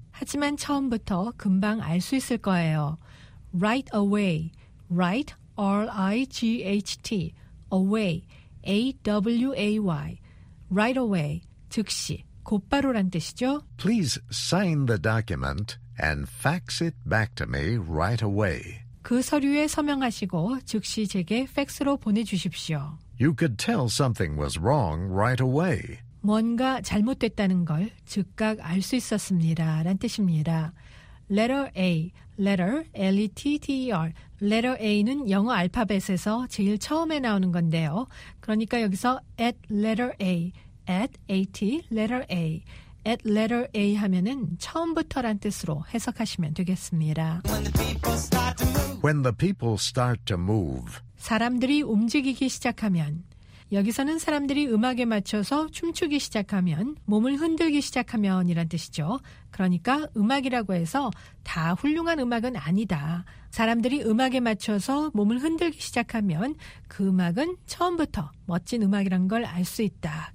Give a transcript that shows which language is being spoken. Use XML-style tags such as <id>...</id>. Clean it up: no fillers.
<ko>하지만 처음부터 금방 알 수 있을 거예요.</ko> <en>Right away. Right, R-I-G-H-T. Away, A-W-A-Y, right away,</en> <ko>즉시, 곧바로란 뜻이죠.</ko> <en>Please sign the document and fax it back to me right away.</en> <ko>그 서류에 서명하시고 즉시 제게 팩스로 보내주십시오. You could tell something was wrong right away. 뭔가 잘못됐다는 걸 즉각 알 수 있었습니다. 란 뜻입니다. Letter A, letter, L-E-T-T-E-R, letter A는 영어 알파벳에서 제일 처음에 나오는 건데요. 그러니까 여기서</ko> <en>at letter A, at AT letter A. At letter A</en> <ko>하면은 처음부터란 뜻으로 해석하시면 되겠습니다.</ko> <en>When the people start to move.</en> <ko>사람들이 움직이기 시작하면 여기서는 사람들이 음악에 맞춰서 춤추기 시작하면 몸을 흔들기 시작하면 이란 뜻이죠. 그러니까 음악이라고 해서 다 훌륭한 음악은 아니다. 사람들이 음악에 맞춰서 몸을 흔들기 시작하면 그 음악은 처음부터 멋진 음악이란 걸 알 수 있다.</ko>